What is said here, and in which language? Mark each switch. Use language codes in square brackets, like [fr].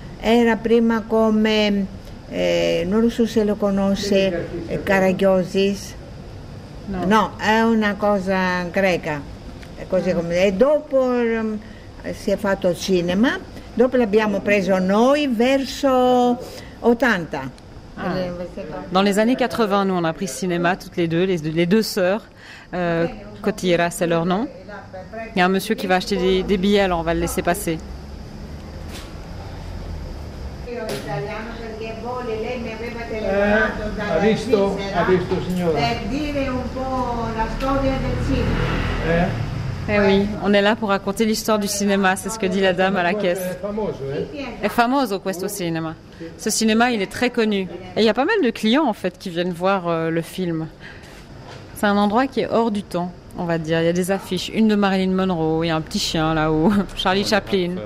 [it] Era prima come, non so se lo conosce, Karagiosis. No, è una cosa greca. È così come. E dopo si è fatto cinema, dopo l'abbiamo preso noi verso 80. [fr] Dans les années 80, nous, on a pris cinéma, toutes les deux sœurs, Kotira, c'est leur nom. Il y a un monsieur qui va acheter des billets, alors on va le laisser passer. [it] Ha visto signora. Per dire un po' la storia del cinema. [fr] Eh oui, on est là pour raconter l'histoire du cinéma, c'est ce que dit la dame à la caisse. [it] È famoso questo cinema. [fr] Ce cinéma, il est très connu. Et il y a pas mal de clients en fait qui viennent voir le film. C'est un endroit qui est hors du temps, on va dire. Il y a des affiches, une de Marilyn Monroe, il y a un petit chien là-haut, Charlie Chaplin.